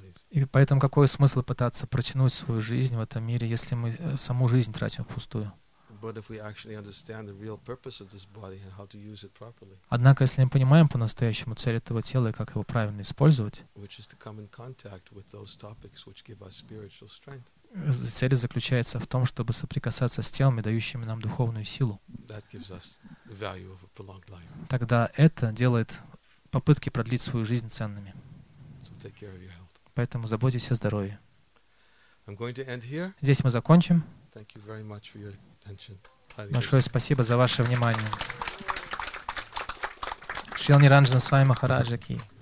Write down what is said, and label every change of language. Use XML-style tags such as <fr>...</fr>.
<ru>И поэтому какой смысл пытаться протянуть свою жизнь в этом мире, если мы саму жизнь тратим впустую?</ru> <en>But if we actually understand the real purpose of this body and how to use it properly.</en> <ru>Однако, если мы понимаем по-настоящему цель этого тела и как его правильно использовать,</ru> <en>which is to come in contact with those topics which give us spiritual strength.</en> <ru>Цель заключается в том, чтобы соприкасаться с телами, дающими нам духовную силу.</ru> <en>That gives us the value of a prolonged life.</en> <ru>Тогда это делает попытки продлить свою жизнь ценными.</ru> <en>So take care of your health.</en> <ru>Поэтому заботьтесь о здоровье.</ru> <en>I'm going to end here.</en> <ru>Здесь мы закончим.</ru> <en>Thank you very much for your</en> <ru>большое спасибо за ваше внимание. Шрила Ниранджана с вами Махараджа Ки.</ru>